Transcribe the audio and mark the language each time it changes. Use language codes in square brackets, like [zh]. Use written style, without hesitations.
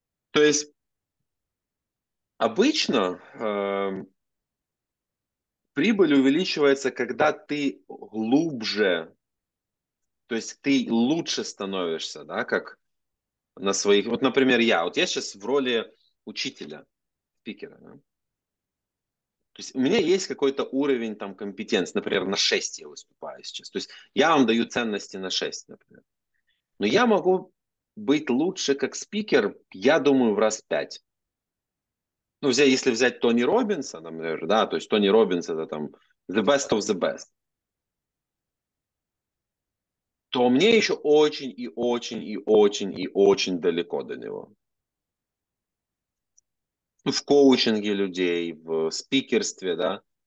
[ru] То есть обычно прибыль увеличивается, когда ты глубже, то есть ты лучше становишься, да, как [uk] на своїх. От, наприклад, я зараз в ролі учителя, спікера. Да? Тобто, у мене є якийсь рівень там компетенції, наприклад, на 6 я виступаю зараз. Тобто, я вам даю цінності на 6, наприклад. Но я можу бути краще як спікер, я думаю, в раз 5. Ну, якщо взяти Тоні Робінса, наприклад, да? Тобто, Тоні Робінс це там [en] the best of the best. [ru] То мне еще очень и очень и очень и очень далеко до него. В коучинге людей, в спикерстве, да.